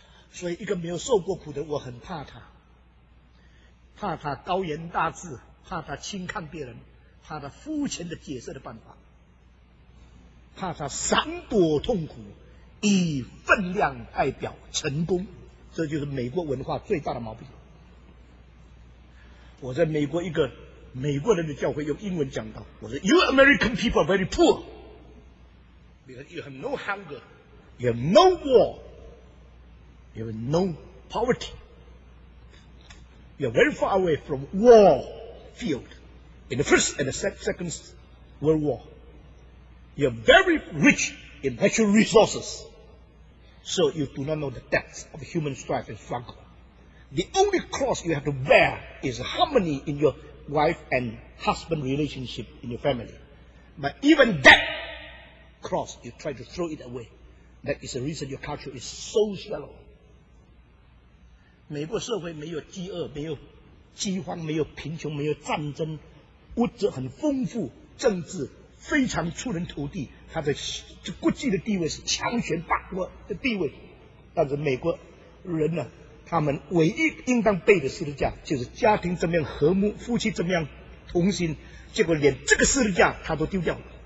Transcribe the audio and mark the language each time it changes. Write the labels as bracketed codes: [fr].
[zh] 所以一个没有受过苦的，我很怕他，怕他高言大志，怕他轻看别人，怕他肤浅的解释的办法，怕他闪躲痛苦，以分量代表成功。这就是美国文化最大的毛病。我在美国一个美国人的教会用英文讲道，我说 [en] You American people are very poor because you have no hunger, you have no war, you have no poverty, you are very far away from war field in the first and the second world war, you are very rich in natural resources, so you do not know the depths of human strife and struggle. The only cross you have to bear is harmony in yourwife and husband relationship in your family. But even that cross, you try to throw it away. That is the reason your culture is so shallow. [zh] 美国社会没有饥饿，没有饥荒，没有贫穷，没有战争，物质很丰富，政治非常出人头地，它的国际的地位是强权霸国的地位。但是美国人呢，他们唯一应当背的十字架就是家庭怎么样和睦，夫妻怎么样同心，结果连这个十字架他都丢掉了。